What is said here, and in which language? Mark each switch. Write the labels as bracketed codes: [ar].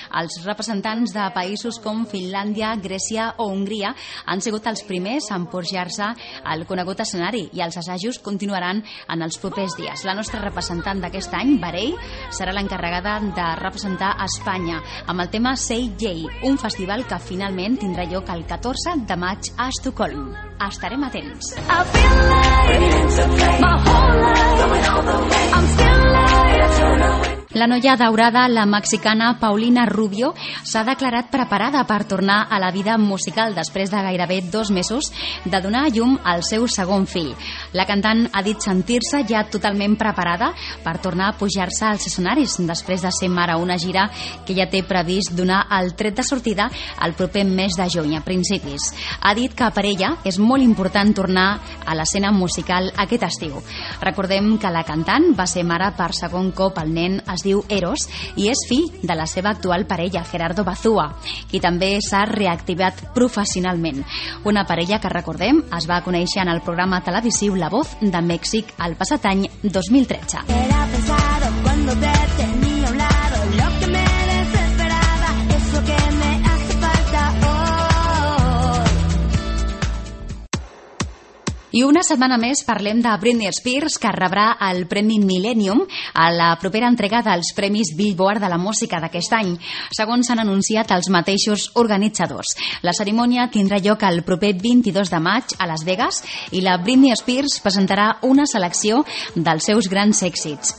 [ca] Els representants de països com Finlàndia, Grècia o Hongria han sigut els primers a emporjar-se al conegut escenari i els assajos continuaran en els propers dies. La nostra representant d'aquest any, Barei, serà l'encarregada de representar Espanya amb el tema Say Yay, un festival que finalment tindrà lloc el 14 de maig a Estocolm. Estarem atents. [en] I feel like my whole life, I'm still like eternal. [ca] La noia daurada, la mexicana Paulina Rubio, s'ha declarat preparada per tornar a la vida musical després de gairebé 2 mesos de donar a llum al seu segon fill. La cantant ha dit sentir-se ja totalment preparada per tornar a pujar-se als escenaris després de ser mare a una gira que ja té previst donar el tret de sortida el proper mes de juny, a principis. Ha dit que per ella és molt important tornar a l'escena musical aquest estiu. Recordem que la cantant va ser mare per segon cop al nen es diu Eros i és fill de la seva actual parella, Gerardo Bazúa, qui també s'ha reactivat professionalment. Una parella que, recordem, es va conèixer en el programa televisiu La Voz de Mèxic el passat any 2013. [es] Era pesado cuando te tenía a un lado, lo que me desesperaba, eso que me hace falta hoy. [ca] I una setmana més parlem de Britney Spears, que rebrà el Premi Millennium a la propera entrega dels Premis Billboard de la Música d'aquest any, segons s'han anunciat els mateixos organitzadors. La cerimònia tindrà lloc el proper 22 de maig a Las Vegas i la Britney Spears presentarà una selecció dels seus grans èxits.